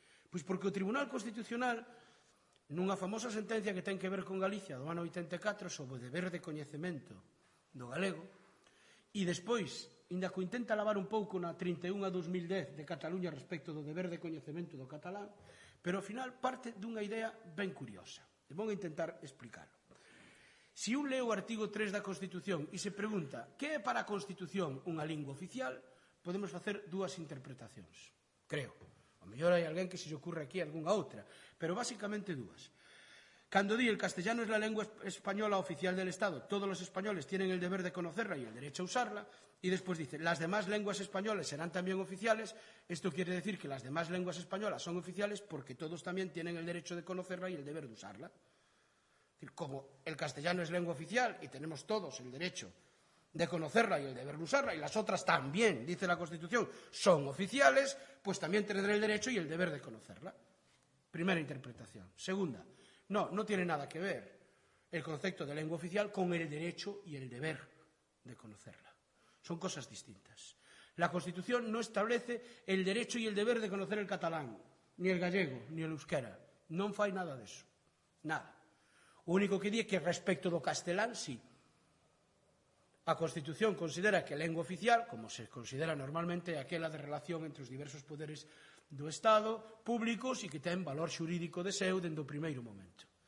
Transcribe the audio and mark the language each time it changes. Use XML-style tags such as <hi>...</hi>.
<gl>Pois porque o Tribunal Constitucional, nunha famosa sentencia que ten que ver con Galicia do ano 84 sobre o deber de coñecemento do galego, e despois, inda co intenta lavar un pouco na 31/2010 de Cataluña respecto do deber de coñecemento do catalán, pero ao final parte dunha idea ben curiosa. E vou intentar explicarlo. Se un leo o artigo 3 da Constitución e se pregunta que é para a Constitución unha lingua oficial, podemos facer dúas interpretacións, creo. O mellor hai alguén que se lle ocurra aquí algunha outra, pero basicamente dúas. Cando di</gl> <es>el castellano es la lengua española oficial del Estado, todos los españoles tienen el deber de conocerla y el derecho a usarla, y después dice, las demás lenguas españolas serán también oficiales, esto quiere decir que las demás lenguas españolas son oficiales porque todos también tienen el derecho de conocerla y el deber de usarla. Como el castellano es lengua oficial y tenemos todos el derecho de conocerla y el deber de usarla, y las otras también, dice la Constitución, son oficiales, pues también tendré el derecho y el deber de conocerla. Primera interpretación. Segunda, no, no tiene nada que ver el concepto de lengua oficial con el derecho y el deber de conocerla. Son cosas distintas. La Constitución no establece el derecho y el deber de conocer el catalán, ni el gallego, ni el euskera.</es> <gl>Non fai nada de eso. Nada. O único que di é que respecto do castelán, sí. A Constitución considera que a lengua oficial, como se considera normalmente, é aquela de relación entre os diversos poderes do Estado, públicos, e que ten valor xurídico de seu dende o primeiro momento.</gl>